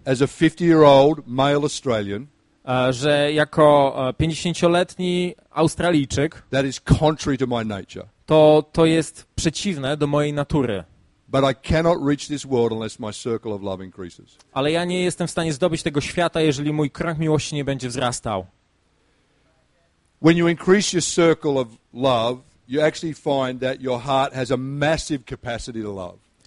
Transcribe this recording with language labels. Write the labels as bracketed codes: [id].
[en] as a 50-year-old male Australian, [pl] że jako 50-letni Australijczyk, [en] that is contrary to my nature. [pl] To jest przeciwne do mojej natury. [en] But I cannot reach this world unless my circle of love increases. [pl] Ale ja nie jestem w stanie zdobyć tego świata, jeżeli mój krąg miłości nie będzie wzrastał. [en] When you increase your circle of love, you actually find that your heart has a massive capacity to love.